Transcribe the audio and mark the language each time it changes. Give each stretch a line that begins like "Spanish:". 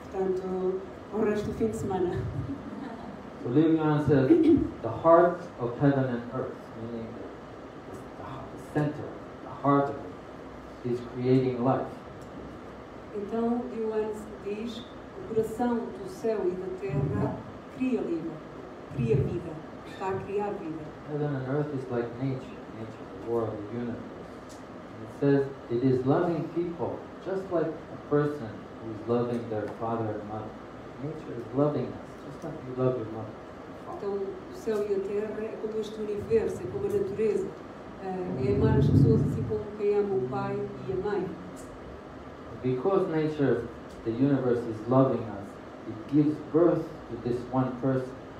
Portuguese: Portanto, o resto do fim de semana.
English: So Liu Yuan says, the heart of heaven and earth, meaning the center, the heart of it, is creating life.
Portuguese: Então Liu Yuan diz, o coração do céu e da terra cria vida, está a criar vida.
English: Heaven and earth is like nature, the world, the universe. And it says, it is loving people. Just like a person who is loving their father and mother. Nature is loving us, just like you love your mother.
Portuguese: Então, o céu e a terra é como este universo, é como a natureza. É amar as pessoas assim como quem ama o pai e a mãe.
English: Because nature, the universe, is loving us, it gives birth to this one person.